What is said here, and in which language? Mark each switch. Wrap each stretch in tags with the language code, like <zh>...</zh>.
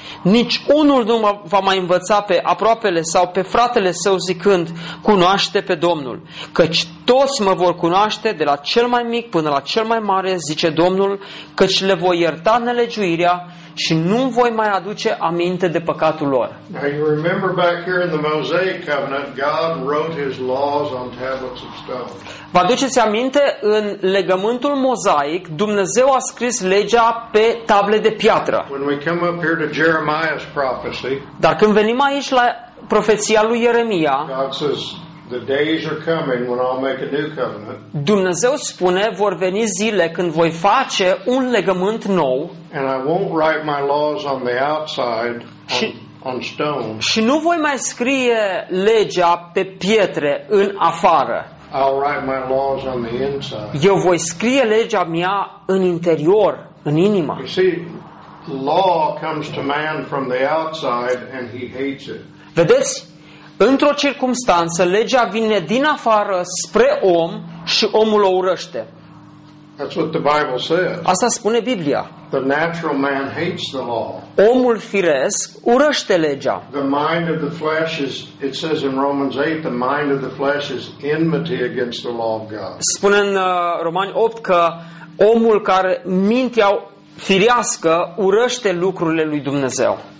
<ro>Nici unul nu va mai învăța pe aproapele sau pe fratele său zicând, cunoaște pe Domnul, căci toți mă vor cunoaște de la cel mai mic până la cel mai mare, zice Domnul, căci le voi ierta nelegiuirea și nu voi mai aduce aminte de păcatul lor.</ro> <en>Now you remember back here in the Mosaic covenant, God wrote his laws on tablets of stone.</en> <ro>Vă aduceți aminte, în legământul mozaic, Dumnezeu a scris legea pe table de piatră.</ro> <en>When we come up here to Jeremiah's prophecy,</en> <ro>dar când venim aici la profeția lui Ieremia,</ro> <en>God says, the days are coming when I'll make a new covenant.</en> <ro>Dumnezeu spune, vor veni zile când voi face un legământ nou.</ro> <en>And I won't write my laws on the outside on stone.</en> <ro>Și nu voi mai scrie legea pe pietre în afară.</ro> <en>I'll write my laws on the inside.</en> <ro>Eu voi scrie legea mea în interior, în inimă.</ro> <en>You see, law comes to man from the outside and he hates it.</en> <ro>Vedeți? Într-o circumstanță, legea vine din afară spre om și omul o urăște.</ro> <en>That's what the Bible says.</en> <ro>Asta spune Biblia.</ro> <en>The natural man hates the law.</en> <ro>Omul firesc urăște legea.</ro> <en>The mind of the flesh is, it says in Romans 8, the mind of the flesh is enmity against the law of God.</en> <ro>Spune în Romani 8 că omul care mintea firească urăște lucrurile lui Dumnezeu.</ro>